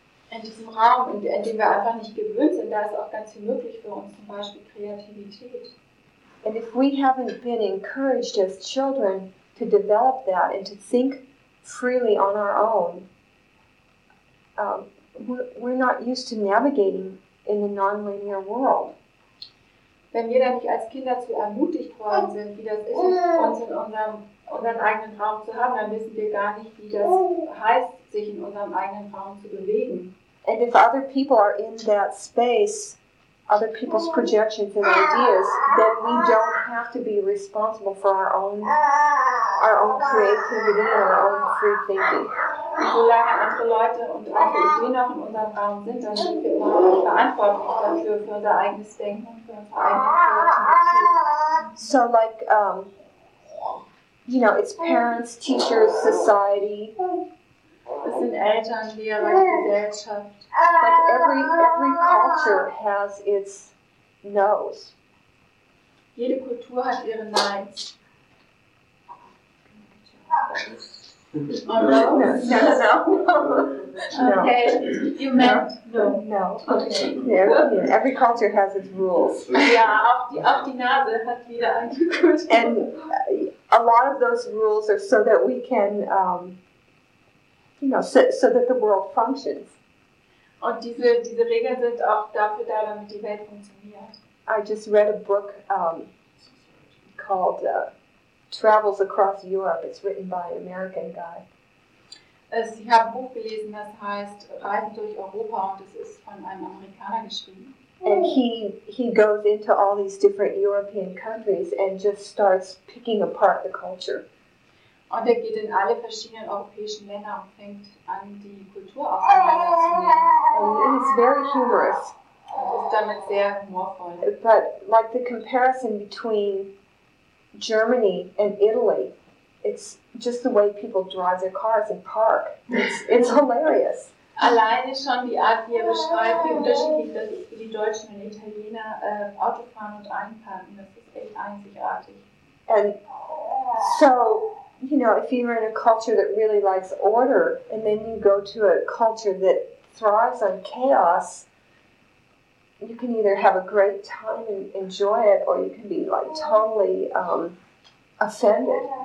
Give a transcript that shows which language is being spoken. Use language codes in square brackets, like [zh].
[de] in diesem Raum, in dem wir einfach nicht gewöhnt sind, da ist auch ganz viel möglich für uns, zum Beispiel Kreativität. [en] And if we haven't been encouraged as children to develop that and to think freely on our own, we're not used to navigating in a non-linear world. [de] Wenn wir dann nicht als Kinder zu ermutigt worden sind, wie das ist, uns in unserem eigenen Raum zu haben, dann wissen wir gar nicht, wie das heißt, sich in unserem eigenen Raum zu bewegen. [en] And if other people are in that space, other people's projections and ideas, then we don't have to be responsible for our own creativity and our own free thinking. [de] Solange andere Leute und andere Ideen noch in unserem Raum sind, dann sind wir immer noch verantwortlich dafür, für unser eigenes Denken, für unsere eigene [en] So like, you know, it's parents, teachers, society. [de] das sind Eltern, Lehrer, Gesellschaft. [en] But every culture has its no's. [de] Jede Kultur hat ihre Neins. [en] Oh, no. Okay, you meant no. Okay. Yeah. Every culture has its rules. [de] Yeah, auf die Nase hat jeder eine Kultur. [en] And a lot of those rules are so that we can, so that the world functions. [de] Und diese Regeln sind auch dafür da, damit die Welt funktioniert. [en] I just read a book called Travels Across Europe. It's written by an American guy. [de] Ich habe ein Buch gelesen, das heißt Reisen durch Europa, und es ist von einem Amerikaner geschrieben. [en] And he goes into all these different European countries and just starts picking apart the culture. [de] Und er geht in alle verschiedenen europäischen Länder und fängt an, die Kultur auseinanderzunehmen. [en] And it's very humorous. [de] Und ist damit sehr humorvoll. [en] But like the comparison between Germany and Italy, it's just the way people drive their cars and park. It's hilarious. [de] Alleine schon die Art, wie er beschreibt, wie unterschiedlich die Deutschen und Italiener Auto fahren und einparken, das ist echt einzigartig. [en] And so, you know, if you're in a culture that really likes order, and then you go to a culture that thrives on chaos, you can either have a great time and enjoy it, or you can be like totally offended.